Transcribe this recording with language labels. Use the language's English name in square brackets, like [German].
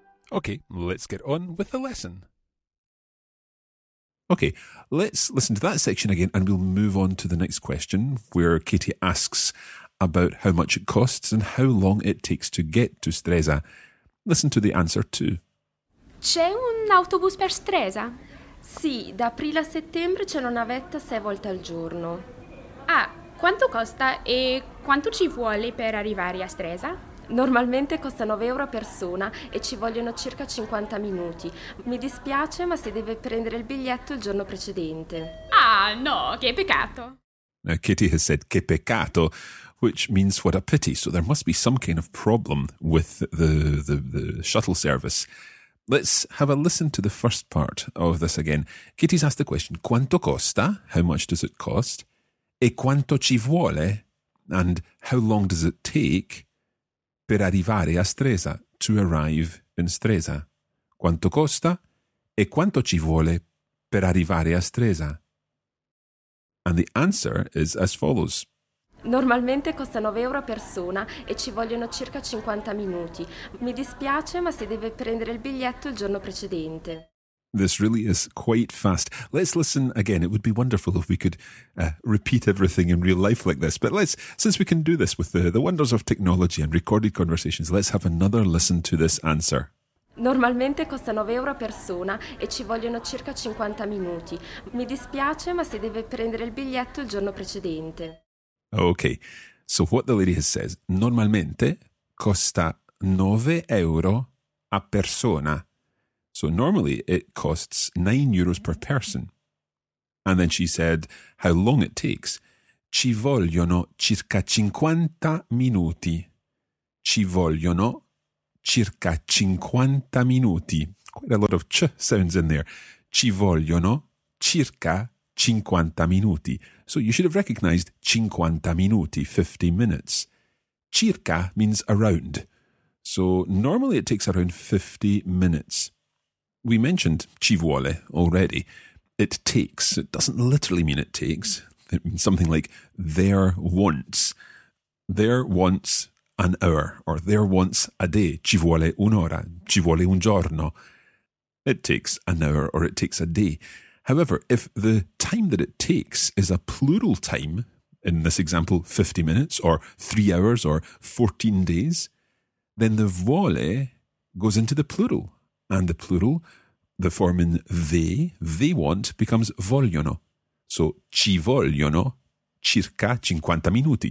[English] Okay, let's get on with the lesson. Okay, let's listen to that section again and we'll move on to the next question where Katie asks about how much it costs and how long it takes to get to Stresa. Listen to the answer too. [Italian] C'è un autobus per Stresa? Sì, da aprile a settembre c'è una navetta 6 volte al giorno. Ah, quanto costa e quanto ci vuole per arrivare a Stresa? Normalmente costa 9 euro a persona e ci vogliono circa 50 minuti. Mi dispiace, ma si deve prendere il biglietto il giorno precedente. Ah, no, che peccato! [English] Now Kitty has said [Italian] che peccato, [English] which means what a pity, so there must be some kind of problem with the shuttle service. Let's have a listen to the first part of this again. Kitty's asked the question, [Italian] quanto costa, [English] how much does it cost, [Italian] e quanto ci vuole, [English] and how long does it take, [Italian] per arrivare a Stresa, [English] to arrive in Stresa. [Italian] Quanto costa, e quanto ci vuole, per arrivare a Stresa. [English] And the answer is as follows. [Italian] Normalmente costa 9 euro a persona e ci vogliono circa 50 minuti. Mi dispiace, ma si deve prendere il biglietto il giorno precedente. [English] This really is quite fast. Let's listen again. It would be wonderful if we could repeat everything in real life like this. But let's, since we can do this with the wonders of technology and recorded conversations, let's have another listen to this answer. [Italian] Normalmente costa 9 euro a persona e ci vogliono circa 50 minuti. Mi dispiace, ma si deve prendere il biglietto il giorno precedente. [English] Okay, so what the lady has said, [Italian] normalmente costa 9 euro a persona. [English] So normally it costs 9 euros per person. And then she said, how long it takes. [Italian] Ci vogliono circa 50 minuti. Ci vogliono circa 50 minuti. [English] Quite a lot of ch sounds in there. [Italian] Ci vogliono circa 50 minuti. [English] So you should have recognized [Italian] 50 minuti, [English] 50 minutes. Circa means around. So normally it takes around 50 minutes. We mentioned [Italian] ci vuole [English] already. It takes. It doesn't literally mean it takes. It means something like there wants. There wants an hour or there wants a day. [Italian] Ci vuole un'ora. Ci vuole un giorno. [English] It takes an hour or it takes a day. However, if the time that it takes is a plural time, in this example, 50 minutes or 3 hours or 14 days, then the vuole goes into the plural. And the plural, the form in they want, becomes vogliono. [Italian] So ci vogliono circa 50 minuti.